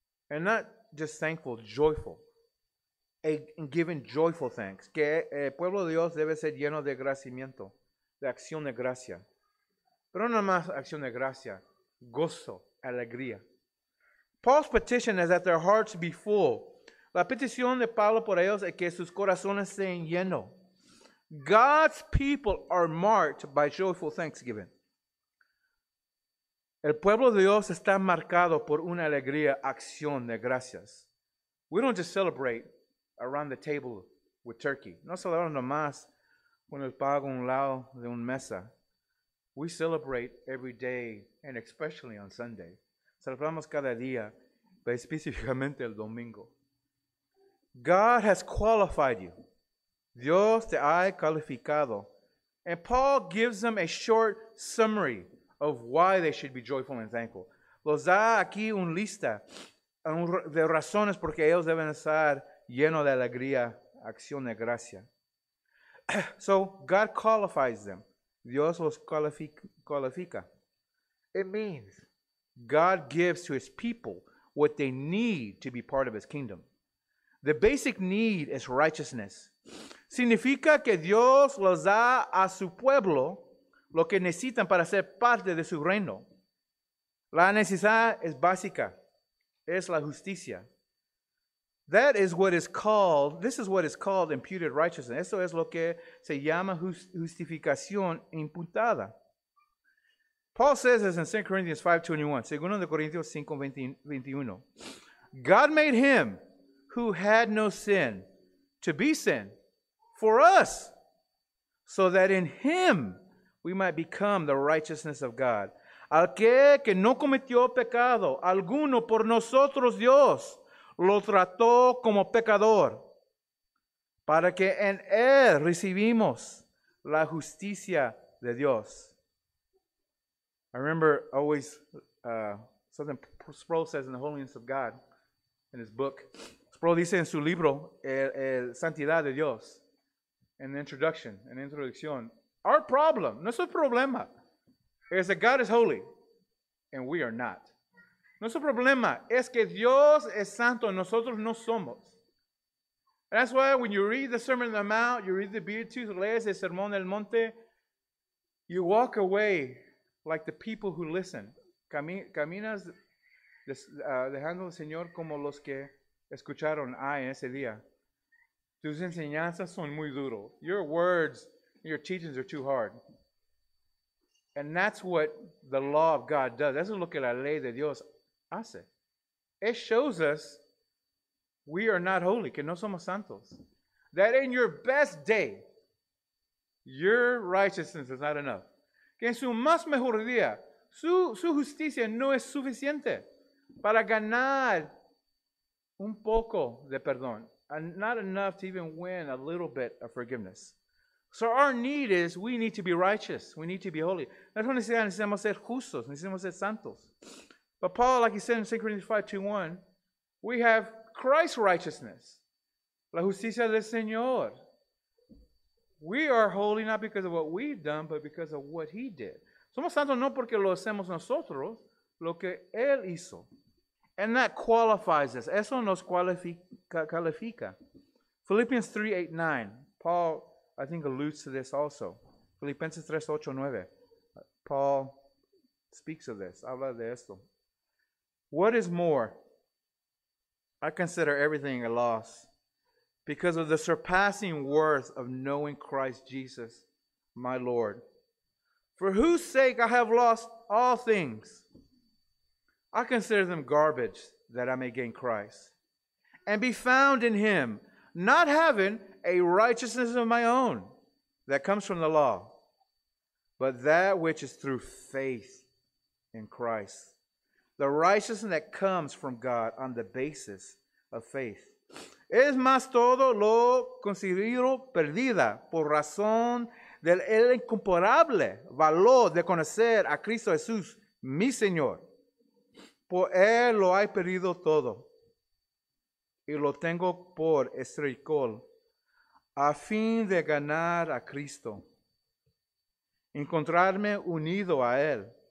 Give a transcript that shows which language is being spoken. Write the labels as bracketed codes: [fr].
[en] And not just thankful, joyful. And giving joyful thanks. [es] Que el pueblo de Dios debe ser lleno de agradecimiento, de acción de gracia. Pero no más acción de gracia, gozo, alegría. [en] Paul's petition is that their hearts be full. [es] La petición de Pablo por ellos es que sus corazones sean llenos. [en] God's people are marked by joyful thanksgiving. [es] El pueblo de Dios está marcado por una alegría, acción de gracias. [en] We don't just celebrate around the table with turkey. [es] No celebramos nomás con el pago a un lado de una mesa. [en] We celebrate every day and especially on Sunday. [es] Celebramos cada día, pero específicamente el domingo. [en] God has qualified you. [es] Dios te ha calificado. [en] And Paul gives them a short summary of why they should be joyful and thankful. [es] Los da aquí un lista de razones por qué ellos deben estar llenos de alegría, acción de gracia. [en] So, God qualifies them. [es] Dios los qualifica. [en] It means God gives to his people what they need to be part of his kingdom. The basic need is righteousness. [es] Significa que Dios los da a su pueblo lo que necesitan para ser parte de su reino. La necesidad es básica. Es la justicia. [en] That is what is called, this is what is called imputed righteousness. [es] Eso es lo que se llama justificación imputada. [en] Paul says this in 2 Corinthians 5:21. [es] Segundo de Corintios 5:21. [en] God made him who had no sin to be sin for us, so that in him we might become the righteousness of God. [es] Al que no cometió pecado alguno por nosotros, Dios lo trató como pecador, para que en él recibimos la justicia de Dios. [en] I remember always something Sproul says in the Holiness of God, in his book. [es] Sproul dice en su libro, el Santidad de Dios, [en] in the introduction, [es] in the introducción. [en] Our problem, [es] nuestro problema, [en] is that God is holy, and we are not. [es] Nuestro problema es que Dios es santo, nosotros no somos. [en] And that's why when you read the Sermon on the Mount, you read the Beatitudes, [es] lees el Sermón del Monte, [en] you walk away like the people who listen. [es] Caminas dejando al Señor como los que escucharon en ese día. Tus enseñanzas son muy duro. [en] Your words, your teachings are too hard. And that's what the law of God does. [es] Eso es lo que la ley de Dios hace. [en] It shows us we are not holy, [es] que no somos santos. [en] That in your best day, your righteousness is not enough. [es] Que en su más mejor día, su justicia no es suficiente para ganar un poco de perdón. [en] And not enough to even win a little bit of forgiveness. So our need is, we need to be righteous. We need to be holy. [es] Nosotros necesitamos ser justos. Necesitamos ser santos. [en] But Paul, like he said in 2 Corinthians 5:21, we have Christ's righteousness. [es] La justicia del Señor. [en] We are holy not because of what we've done, but because of what he did. [es] Somos santos no porque lo hacemos nosotros, lo que él hizo. [en] And that qualifies us. [es] Eso nos califica. [en] Philippians 3:8-9. Paul, I think, alludes to this also. [es] Filipenses 3, 8, 9. [en] Paul speaks of this. [es] Habla de esto. [en] What is more, I consider everything a loss because of the surpassing worth of knowing Christ Jesus, my Lord, for whose sake I have lost all things. I consider them garbage that I may gain Christ and be found in Him, not having a righteousness of my own that comes from the law, but that which is through faith in Christ, the righteousness that comes from God on the basis of faith. [es] Es más, todo lo considero perdida por razón del incomparable valor de conocer a Cristo Jesús, mi Señor. Por Él lo he perdido todo y lo tengo por estiércol a fin de ganar a Cristo, encontrarme unido a Él.